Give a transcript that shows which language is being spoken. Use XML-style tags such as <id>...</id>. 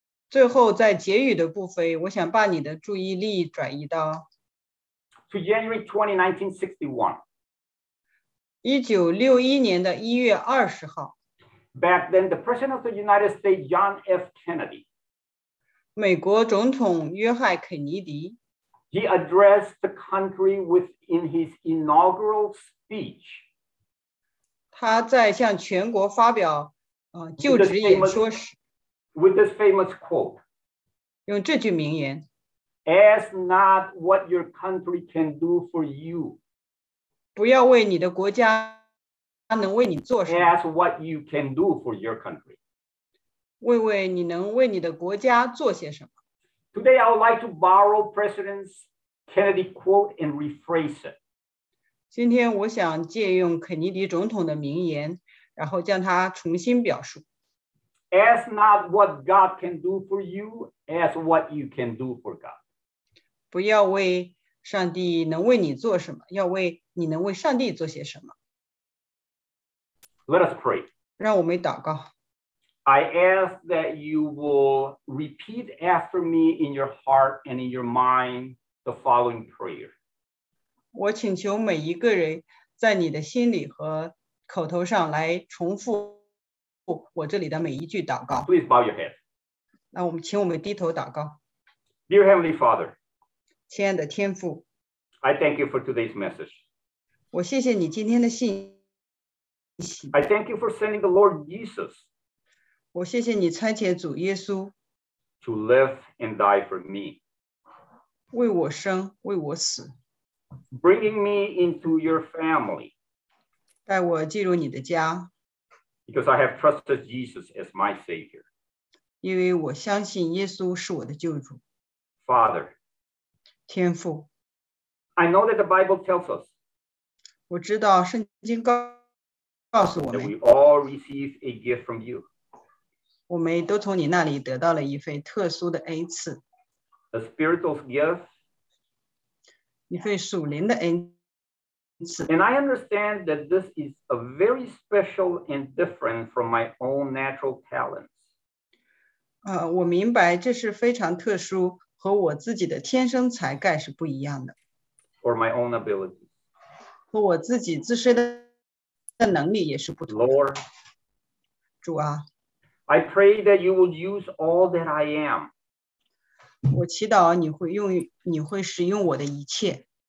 <zh>最后，在结语的部分，我想把你的注意力转移到。</zh> <en>To January 20,</en> <zh>1961. 1961年的1月20号。</zh> <en>Back then, the President of the United States, John F. Kennedy.</en> <zh>美国总统约翰·肯尼迪。</zh> <en>He addressed the country within his inaugural speech.</en> <zh>他在向全国发表就职演说时。</zh> <en>With this famous quote.</en> <zh>用这句名言。</zh> <en>Ask not what your country can do for you.</en> <zh>不要为你的国家能为你做什么。</zh> <en>Ask what you can do for your country.</en> <zh>为你能为你的国家做些什么。</zh> <en>Today, I would like to borrow President Kennedy's quote and rephrase it.</en> <zh>今天我想借用肯尼迪总统的名言，然后将它重新表述。</zh> <en>Ask not what God can do for you, ask what you can do for God.</en> <zh>不要为上帝能为你做什么，要为你能为上帝做些什么。</zh> <en>Let us pray.</en> <zh>让我们祷告。</zh> <en>I ask that you will repeat after me in your heart and in your mind the following prayer.</en> <zh>我请求每一个人在你的心里和口头上来重复我这里的每一句祷告。</zh> <en>Please bow your head.</en> <zh>那我们请我们低头祷告。</zh> <en>Dear Heavenly Father,</en> <zh>亲爱的天父，</zh> <en>I thank you for today's message.</en> <zh>我谢谢你今天的信息。</zh> <en>I thank you for sending the Lord Jesus.</en> <zh>我谢谢你差遣主耶稣。</zh> <en>To live and die for me.</en> <zh>为我生，为我死。</zh> <en>Bringing me into your family.</en> <zh>带我进入你的家。</zh> <en>Because I have trusted Jesus as my Savior.</en> <zh>因为我相信耶稣是我的救主。</zh> <en>Father.</en> <zh>天父。</zh> <en>I know that the Bible tells us.</en> <zh>我知道圣经告诉我们。</zh> <en>That we all receive a gift from you.</en> <zh>我们都从你那里得到了一份特殊的恩赐。</zh> <en>a spiritual gift.</en> <zh>你对属灵的恩赐。</zh> <en>And I understand that this is a very special and different from my own natural talents.</en> <zh>我明白这是非常特殊和我自己的天生才干是不一样的。</zh> <en>Or my own ability.</en> <zh>和我自己自身的能力也是不同的。</zh> <en>Lord,</en> <zh>主啊,</zh> <en>I pray that you will use all that I am.</en> <zh>我祈祷你会使用我的一切,</zh>